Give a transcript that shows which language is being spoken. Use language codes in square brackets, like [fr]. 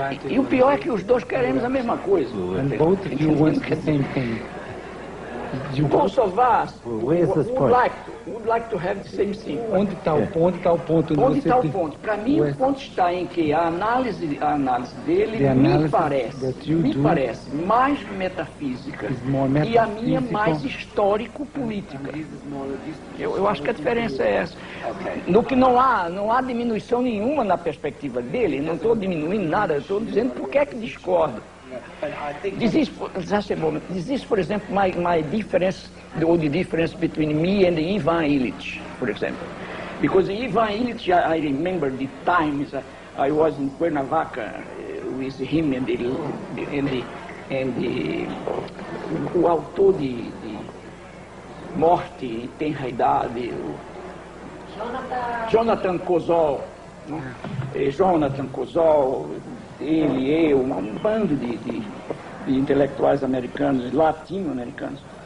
[pt] E o pior é que os dois queremos a mesma coisa. [en] Both of you want the same thing. Both of us would like to have the same thing. [pt] Onde está o ponto? Está o ponto. Onde está o ponto? Para mim, o ponto está em que a análise dele me parece mais metafísica e a minha mais histórico-política. Eu acho que a diferença é essa. No que não há diminuição nenhuma na perspectiva dele, não estou diminuindo nada, estou dizendo porque é que discordo. [en] This is, for example, my difference, or the difference between me and Ivan Illich, for example. Because Ivan Illich, I remember the times I was in Cuernavaca with him and the autor de Morte e Tenra Idade, Jonathan Kozol, [pt] ele, eu, um bando de intelectuais americanos, latino-americanos.